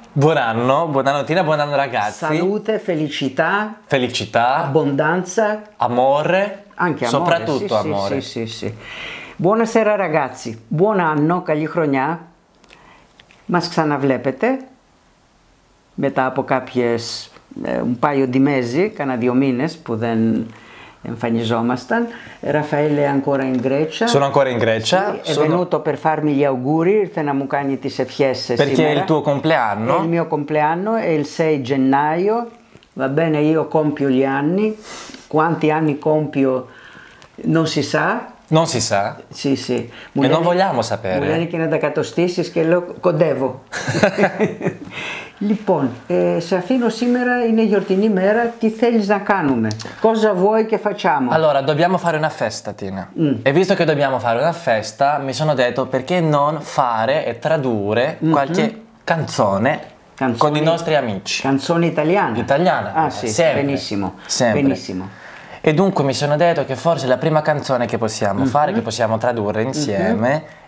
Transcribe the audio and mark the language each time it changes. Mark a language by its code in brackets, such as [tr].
[it] Buon anno, buona notina, buon anno ragazzi. Salute, felicità. Felicità. Abbondanza. Amore. Anche amore. Soprattutto sì, amore. Sì, sì, sì. Buonasera ragazzi, buon anno, [el] καλή χρονιά. Μας ξαναβλέπετε. Μετά από κάποιες, [it] un paio di mesi, [el] κάνα δύο μήνες που δεν εμφανιζόμασταν. [it] Raffaele è ancora in Grecia. Sono ancora in Grecia. Sì, è venuto per farmi gli auguri, [el] ήρθε να μου κάνει τις ευχές σήμερα. [it] Perché è il tuo compleanno. È il mio compleanno, è il 6 gennaio. Va bene, io compio gli anni. Quanti anni compio non si sa. Non si sa. Sì, sì. [el] Μου [it] e [el] λένε, [it] non vogliamo sapere. [el] Μου λένε che είναι δεκατοστήσεις και λέω κοντεύω. Λοιπόν, σε αφήνω σήμερα, είναι γιορτινή μέρα, τι θέλεις να κάνουμε, [it] cosa vuoi che facciamo? Allora, dobbiamo fare una festa, Tina. Mm. E visto che dobbiamo fare una festa, mi sono detto perché non fare e tradurre qualche canzone, con i nostri amici. Canzone italiana? Italiana. Ah sì, sempre. Benissimo. Sempre. Benissimo. E dunque mi sono detto che forse la prima canzone che possiamo fare, che possiamo tradurre insieme... Mm-hmm.